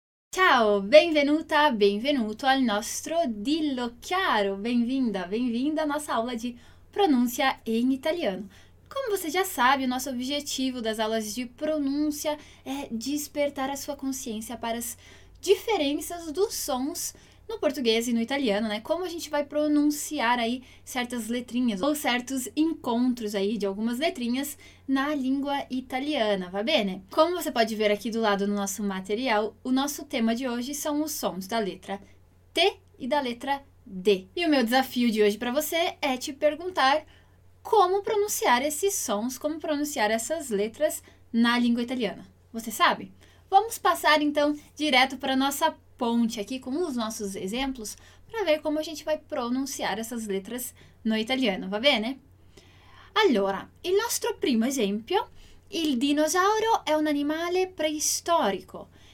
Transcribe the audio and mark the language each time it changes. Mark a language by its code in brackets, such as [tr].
[it] Ciao, benvenuta, benvenuto al nostro Dillo Chiaro. [pt] Bem-vinda, bem-vinda à nossa aula de pronúncia em italiano. Como você já sabe, o nosso objetivo das aulas de pronúncia é despertar a sua consciência para as diferenças dos sons no português e no italiano, né? Como a gente vai pronunciar aí certas letrinhas ou certos encontros aí de algumas letrinhas na língua italiana, [it] va bene? [pt] Como você pode ver aqui do lado no nosso material, o nosso tema de hoje são os sons da letra T e da letra D. E o meu desafio de hoje para você é te perguntar como pronunciar esses sons, como pronunciar essas letras na língua italiana. Você sabe? Vamos passar então direto para nossa ponte aqui com os nossos exemplos para ver como a gente vai pronunciar essas letras no italiano, [it] va bene? Allora, il nostro primo esempio, il dinosauro è un animale preistorico.